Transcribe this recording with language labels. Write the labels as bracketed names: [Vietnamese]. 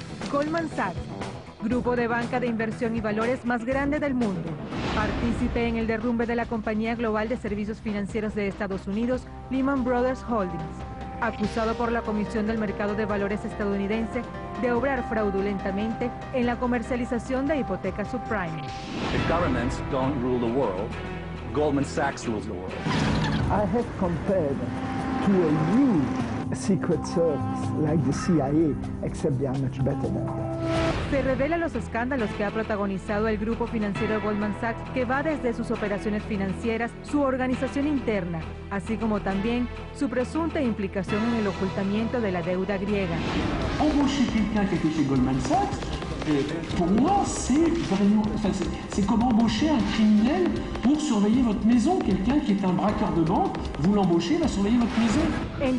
[Spanish] Goldman Sachs, grupo de banca de inversión y valores más grande del mundo, partícipe en el derrumbe de la compañía global de servicios financieros de Estados Unidos, Lehman Brothers Holdings, acusado por la Comisión del Mercado de Valores estadounidense de obrar fraudulentamente en la comercialización de hipotecas subprime. [English] The governments don't rule the world. Goldman Sachs rules the world. I have compared to a new secret service like the CIA, except they are much better than that. [Spanish] Se revelan los escándalos que ha protagonizado el grupo financiero Goldman Sachs, que va desde sus operaciones financieras, su organización interna, así como también su presunta implicación en el ocultamiento de la deuda griega. ¿Cómo se explica que dice Goldman Sachs? [French] Pour moi, c'est comme embaucher un criminel pour surveiller votre maison. Quelqu'un qui est un braqueur de banque, vous l'embauchez, va surveiller votre maison.